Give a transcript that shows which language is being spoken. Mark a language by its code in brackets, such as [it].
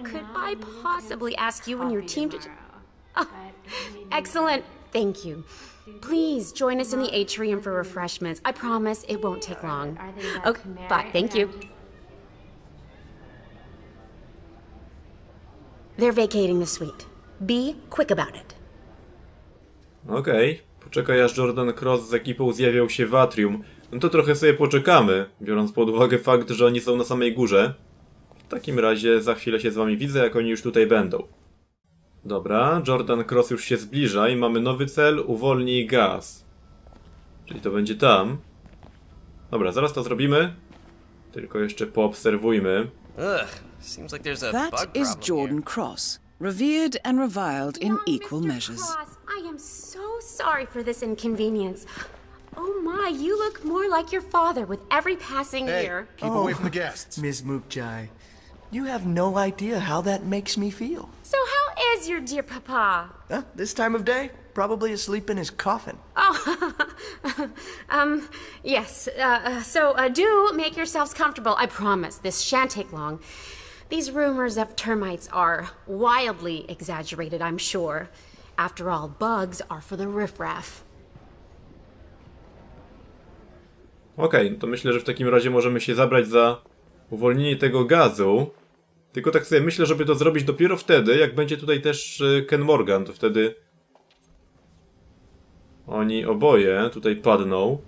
[en] Could I possibly ask you and your team to... Oh, excellent. Thank you. Please join us in the atrium for refreshments. I promise it won't take long. Okay, bye. Thank you. They're vacating the suite. Be quick about it. Okej. Okay. [pl] Poczekaj, aż Jordan Cross z ekipą zjawiał się w atrium. No to trochę sobie poczekamy, biorąc pod uwagę fakt, że oni są na samej górze. W takim razie za chwilę się z wami widzę, jak oni już tutaj będą. Dobra, Jordan Cross już się zbliża i mamy nowy cel, uwolnij gaz. Czyli to będzie tam. Dobra, zaraz to zrobimy. Tylko jeszcze poobserwujmy. [en] Ugh, seems like there's a bug problem. That is Jordan Cross, revered and reviled in equal measures. Mr. Cross, I am so sorry for this inconvenience. Oh my, you look more like your father with every passing year. Hey, keep away from the guests. Ms. Mukjai, you have no idea how that makes me feel. So how is your dear papa? This time of day, probably asleep in his coffin. Oh, yes. So do make yourselves comfortable. I promise this shan't take long. These rumors of termites are wildly exaggerated, I'm sure. After all, bugs are for the riffraff. [pl] Okej, okay, to myślę, że w takim razie możemy się zabrać za uwolnienie tego gazu. Tylko tak sobie myślę, żeby to zrobić dopiero wtedy, jak będzie tutaj też Ken Morgan, to wtedy... Oni oboje tutaj padną.